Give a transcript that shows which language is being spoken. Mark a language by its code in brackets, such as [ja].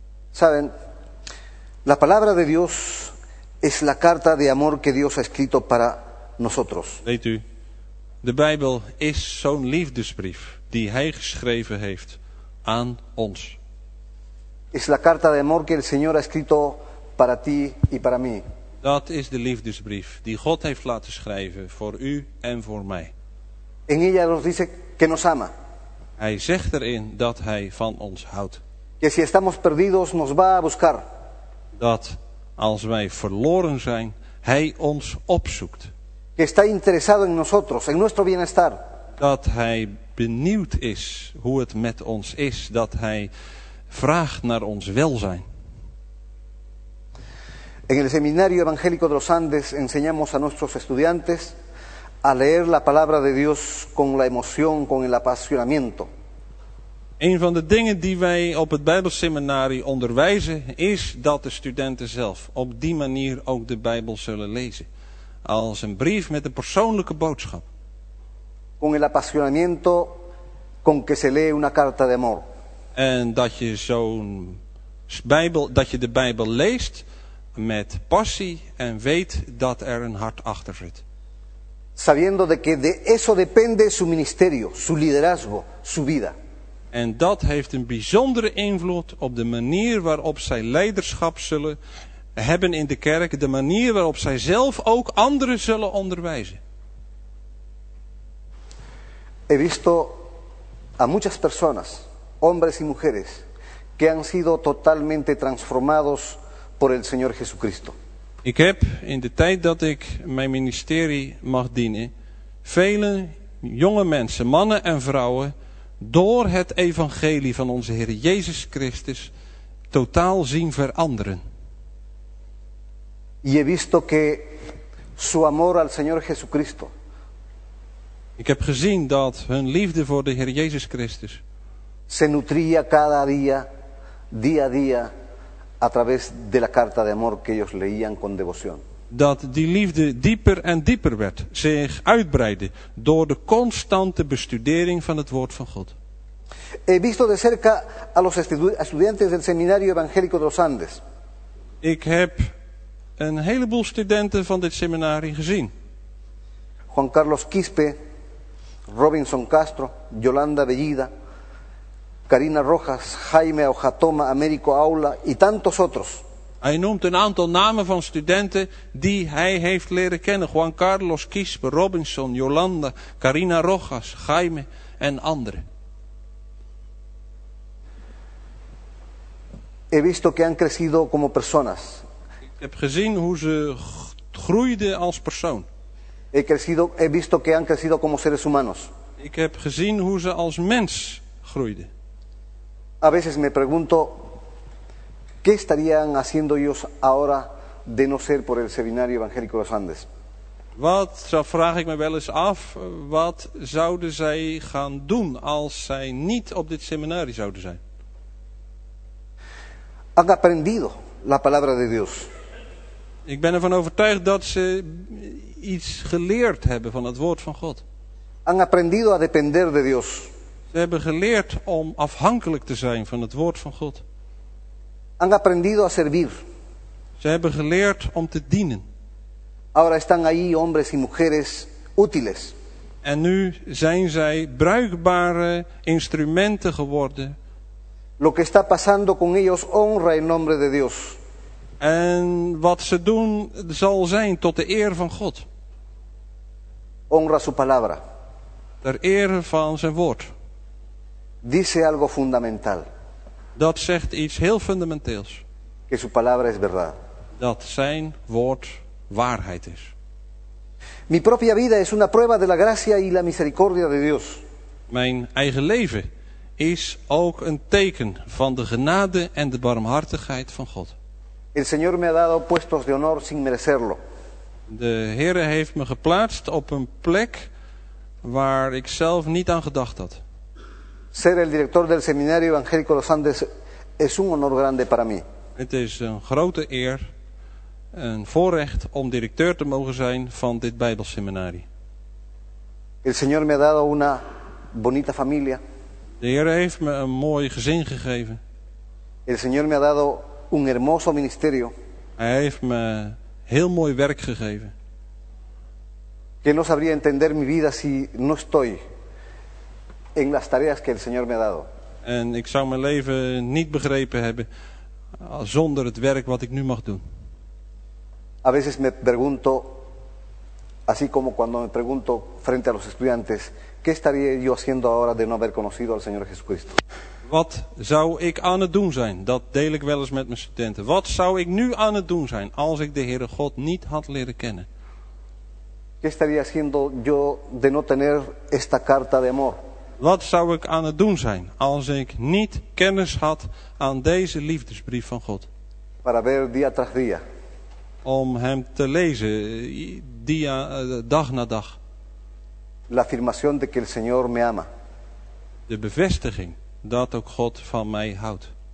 [es] Saben, la palabra de Dios es la carta de amor que Dios ha escrito para nosotros. [nl] Weet u, de Bijbel is zo'n liefdesbrief die Hij geschreven heeft aan ons. [es] Es la carta de amor que el Señor ha escrito para ti y para mí. [nl] Dat is de liefdesbrief die God heeft laten schrijven voor u en voor mij. [es] En ella nos dice que nos ama. [nl] Hij zegt erin dat hij van ons houdt. [es] Que si estamos perdidos, nos va a buscar. [nl] Dat als wij verloren zijn, hij ons opzoekt. [es] Que está interesado en nosotros, en nuestro bienestar. [nl] Dat hij benieuwd is hoe het met ons is. Dat hij vraagt naar ons welzijn. [es] En el Seminario Evangélico de los Andes enseñamos a nuestros estudiantes a leer la palabra de Dios con la emoción, con el apasionamiento. [nl] Een van de dingen die wij op het Bijbelseminarie onderwijzen is dat de studenten zelf op die manier ook de Bijbel zullen lezen. Als een brief met een persoonlijke boodschap. [es] Con el apasionamiento con que se lee una carta de amor. [nl] En dat je zo'n Bijbel, dat je de Bijbel leest met passie en weet dat er een hart achter zit. [es] Sabiendo de que de eso depende su ministerio, su liderazgo, su vida. [nl] En dat heeft een bijzondere invloed op de manier waarop zij leiderschap zullen hebben in de kerk, de manier waarop zij zelf ook anderen zullen onderwijzen. [es] He visto a muchas personas, hombres y mujeres, que han sido totalmente transformados por el Señor Jesucristo. [nl] Ik heb in de tijd dat ik mijn ministerie mag dienen, vele jonge mensen, mannen en vrouwen, door het evangelie van onze Heer Jezus Christus totaal zien veranderen. [es] Y he visto que su amor al Señor Jesucristo. [nl] Ik heb gezien dat hun liefde voor de Heer Jezus Christus [es] se nutría cada día, día a día, a través de la carta de amor que ellos leían con devoción. [nl] Dat die liefde dieper en dieper werd, zich uitbreidde door de constante bestudering van het woord van God. [es] He visto de cerca a los estudiantes del Seminario Evangélico de los Andes. [nl] Ik heb een heleboel studenten van dit seminarie gezien. [es] Juan Carlos Quispe, Robinson Castro, Yolanda Bellida, Karina Rojas, Jaime Ojatoma, Américo Aula y tantos otros. [nl] Hij noemt een aantal namen van studenten die hij heeft leren kennen. Juan Carlos Quispe, Robinson, Yolanda, Karina Rojas, Jaime en anderen. [es] He visto que han crecido como personas. [nl] Ik heb gezien hoe ze groeiden als persoon. [es] He visto que han crecido como seres humanos. [nl] Ik heb gezien hoe ze als mens groeiden. [es] A veces me pregunto qué estarían haciendo ellos ahora de no ser por el Seminario Evangélico de los Andes. [nl] Wat zou, vraag ik me wel eens af, wat zouden zij gaan doen als zij niet op dit seminarie zouden zijn? [es] Han aprendido la palabra de Dios. [nl] Ik ben ervan overtuigd dat ze iets geleerd hebben van het woord van God. [es] Han aprendido a depender de Dios. [nl] Ze hebben geleerd om afhankelijk te zijn van het woord van God. [es] Han aprendido a servir. [nl] Ze hebben geleerd om te dienen. [es] Ahora están ahí hombres y mujeres útiles. [nl] En nu zijn zij bruikbare instrumenten geworden. [es] Lo que está pasando con ellos honra el nombre de Dios. [nl] En wat ze doen zal zijn tot de eer van God. [es] Honra su palabra. [nl] Ter ere van zijn woord. [es] Dice algo fundamental. [nl] Dat zegt iets heel fundamenteels. [es] Que su palabra es verdad. [nl] Dat zijn woord waarheid is. [es] Mi propia vida es una prueba de la gracia y la misericordia de Dios. [nl] Mijn eigen leven is ook een teken van de genade en de barmhartigheid van God. [es] El Señor me ha dado puestos de honor sin merecerlo. [nl] De Heere heeft me geplaatst op een plek waar ik zelf niet aan gedacht had. [es] Ser el director del Seminario Evangélico Los Andes es un honor grande para mí. [nl] Het is een grote eer, een voorrecht om directeur te mogen zijn van dit Bijbelseminarie. [es] El Señor me ha dado una bonita familia. [nl] De Heer heeft me een mooi gezin gegeven. [es] El Señor me ha dado un hermoso ministerio. [nl] Hij heeft me heel mooi werk gegeven. [es] Que no sabría entender mi vida si no estoy en las tareas que el Señor me ha dado. [nl] En ik zou mijn leven niet begrepen hebben zonder het werk wat ik nu mag doen. [es] A veces me pregunto, así como cuando me pregunto frente a los estudiantes, ¿qué estaría yo haciendo ahora de no haber conocido al Señor Jesucristo? [nl] Wat zou ik aan het doen zijn? Dat deel ik wel eens met mijn studenten. Wat zou ik nu aan het doen zijn als ik de Heere God niet had leren kennen? [es] ¿Qué estaría haciendo yo de no tener esta carta de amor? [nl] Wat zou ik aan het doen zijn als ik niet kennis had aan deze liefdesbrief van God? [es] Para ver día tras día. [nl] Om hem te lezen, dag na dag. [es] La afirmación de que el Señor me ama. [nl] De bevestiging dat ook God van mij houdt.